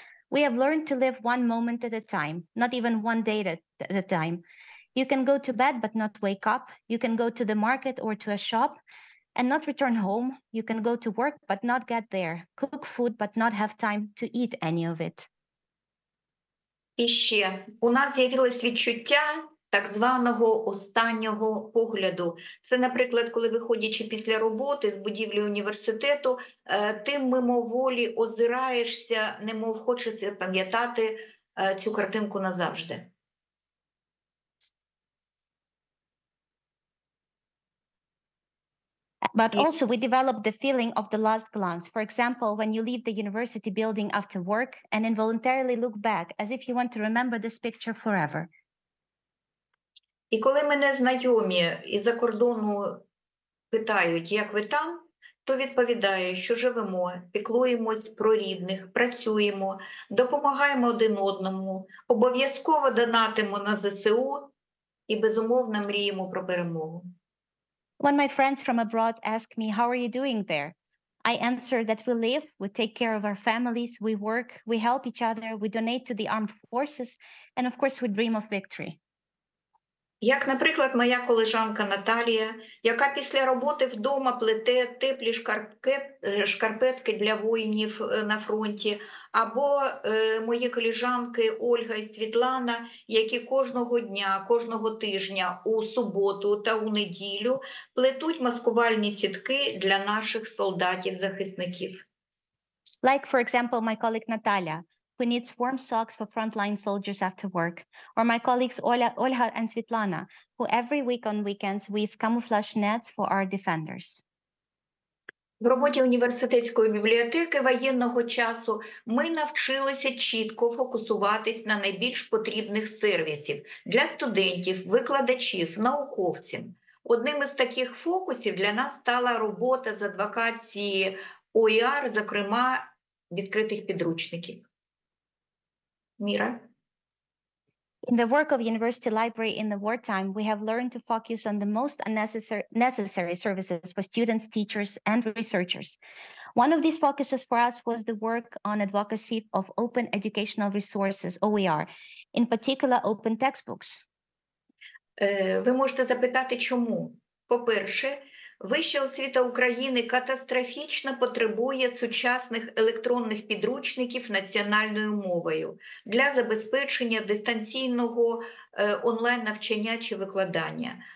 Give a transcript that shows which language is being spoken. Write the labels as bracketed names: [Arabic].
[English] We have learned to live one moment at a time, not even one day at a time. You can go to bed but not wake up. You can go to the market or to a shop and not return home. You can go to work but not get there. Cook food but not have time to eat any of it. [Ukrainian] І ще. У нас з'явилось відчуття так званого останнього погляду. Це, наприклад, коли виходячи після роботи з будівлі університету, ти мимоволі озираєшся, немов хочеш запам'ятати цю картинку назавжди. [English] But also we develop the feeling of the last glance. For example, when you leave the university building after work and involuntarily look back as if you want to remember this picture forever. [Ukrainian] І коли мене знайомі із-за кордону питають, як ви там, то відповідаю, що живемо, піклуємось про рідних, працюємо, допомагаємо один одному, обов'язково донатимо на ЗСУ і безумовно мріємо про перемогу. [English] When my friends from abroad ask me, how are you doing there? I answer that we live, we take care of our families, we work, we help each other, we donate to the armed forces, and of course, we dream of victory. [Ukrainian] Як, наприклад, моя колежанка Наталія, яка після роботи вдома плете теплі шкарпетки для воїнів на фронті, або мої колежанки Ольга і Світлана, які кожного дня, кожного тижня у суботу та у неділю плетуть маскувальні сітки для наших солдатів-захисників. [English] Like, for example, my colleague Наталія, who needs warm socks for frontline soldiers after work, or my colleagues Olha and Svetlana, who every week on weekends weave camouflage nets for our defenders. [Ukrainian] В роботі університетської бібліотеки воєнного часу ми навчилися чітко фокусуватись на найбільш потрібних сервісів для студентів, викладачів, науковців. Одним із таких фокусів для нас стала робота з адвокації ОІР, зокрема, відкритих підручників. Mira. [English] In the work of university library in the wartime, we have learned to focus on the most necessary services for students, teachers, and researchers. One of these focuses for us was the work on advocacy of open educational resources, OER, in particular, open textbooks. [Ukrainian] Ви можете запитати, чому? По-перше, Вища освіта України катастрофічно потребує сучасних електронних підручників національною мовою для забезпечення дистанційного онлайн-навчання чи викладання.